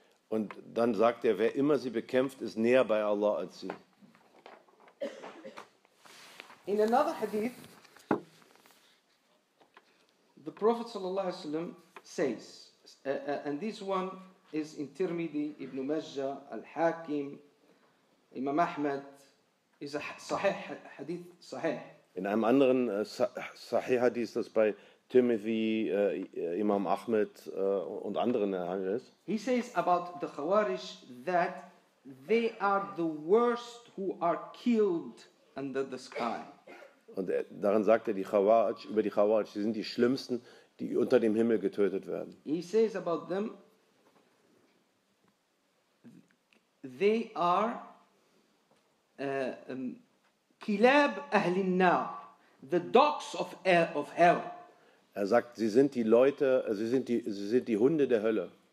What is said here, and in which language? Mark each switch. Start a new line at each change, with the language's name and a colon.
German: Und dann sagt er, wer immer sie bekämpft, ist näher bei Allah als sie.
English: In another hadith, the Prophet sallallahu alaihi wasallam says, and this one is in Tirmidhi, Ibn Majah, Al-Hakim, Imam Ahmad, is a sahih hadith sahih.
German: In einem anderen sahih hadith, das bei Tirmidhi, Imam Ahmad und anderen erhangen ist.
English: He says about the Khawarij that they are the worst who are killed under the sky.
German: Und darin sagt er die Khawarij, über die Khawarij, sie sind die Schlimmsten, die unter dem Himmel getötet werden.
English: He says about them, they are
Arabic: kilab ahli nar,
English: the dogs of hell.
German: Er sagt, sie sind die Leute, sie sind die Hunde der Hölle.